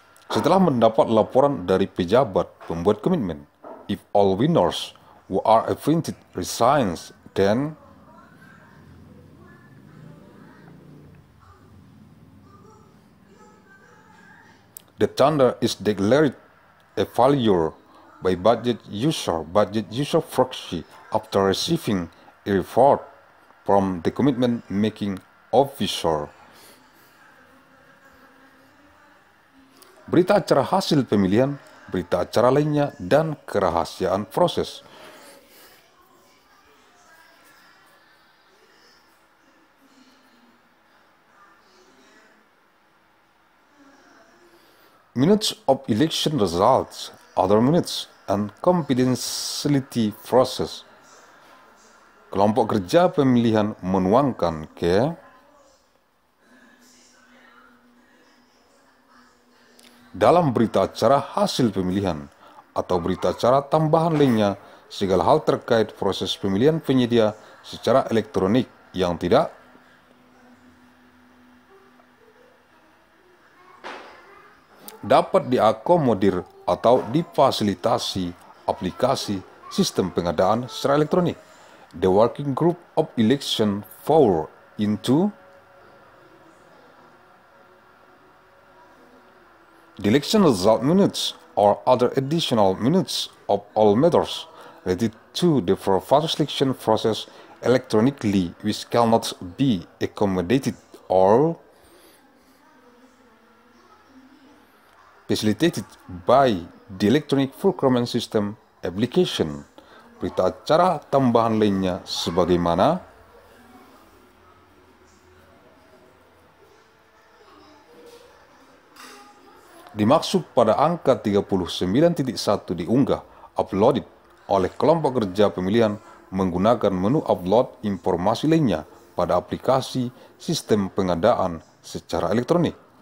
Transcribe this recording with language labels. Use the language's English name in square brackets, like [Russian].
[Indonesian] Setelah mendapat laporan dari pejabat pembuat komitmen, [English] if all winners who are appointed resigns, then the tender is declared a failure by budget user proxy after receiving a report from the commitment making officer. [Indonesian] Berita acara hasil pemilihan, berita acara lainnya, dan kerahasiaan proses. [English] Minutes of election results, other minutes, and confidentiality process. [Indonesian] Kelompok kerja pemilihan menuangkan ke dalam berita acara hasil pemilihan atau berita acara tambahan lainnya segala hal terkait proses pemilihan penyedia secara elektronik yang tidak dapat diakomodir atau difasilitasi aplikasi sistem pengadaan secara elektronik. [English] The working group of election fall into the election result minutes or other additional minutes of all matters related to the further selection process electronically, which cannot be accommodated or facilitated by the electronic procurement system application. [Indonesian] Berita acara tambahan lainnya sebagaimana dimaksud pada angka 39.1 diunggah, uploaded oleh kelompok kerja pemilihan menggunakan menu upload informasi lainnya pada aplikasi sistem pengadaan secara elektronik.